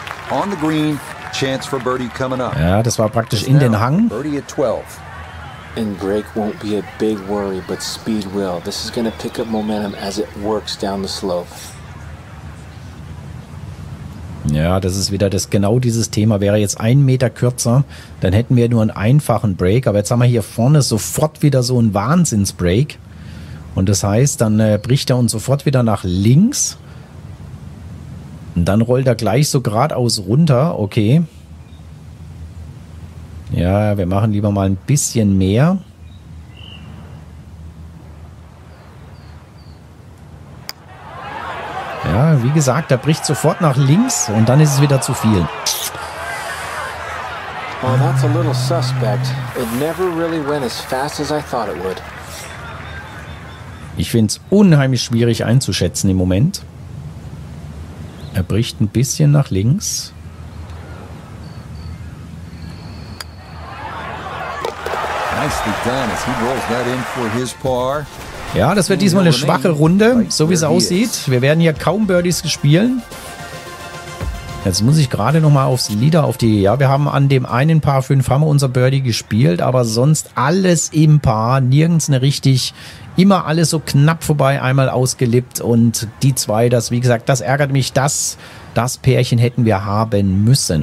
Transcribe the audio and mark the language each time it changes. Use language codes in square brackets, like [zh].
[en] On the green, chance for birdie coming up. [de] Ja, das war praktisch in den Hang. [en] Birdie at 12. And break won't be a big worry, but speed will. This is going to pick up momentum as it works down the slope. [de] Ja, das ist wieder das genau dieses Thema. Wäre jetzt einen Meter kürzer, dann hätten wir nur einen einfachen Break. Aber jetzt haben wir hier vorne sofort wieder so einen Wahnsinns-Break. Und das heißt, dann bricht er uns sofort wieder nach links. Und dann rollt er gleich so geradeaus runter. Okay. Ja, wir machen lieber mal ein bisschen mehr. Ja, wie gesagt, er bricht sofort nach links und dann ist es wieder zu viel. [en] Well, that's a little suspect. It never really went as fast as I thought it would. [de] Ich finde es unheimlich schwierig einzuschätzen im Moment. Er bricht ein bisschen nach links. [en] Nicely done as he rolls that in for his par. [de] Ja, das wird diesmal eine schwache Runde, so wie es aussieht. Wir werden hier kaum Birdies spielen. Jetzt muss ich gerade noch mal aufs Leader, auf die... Ja, wir haben an dem einen Par 5 haben wir unser Birdie gespielt, aber sonst alles im Par, nirgends eine richtig... Immer alles so knapp vorbei, einmal ausgelippt und die zwei, das, wie gesagt, das ärgert mich, dass das Pärchen hätten wir haben müssen.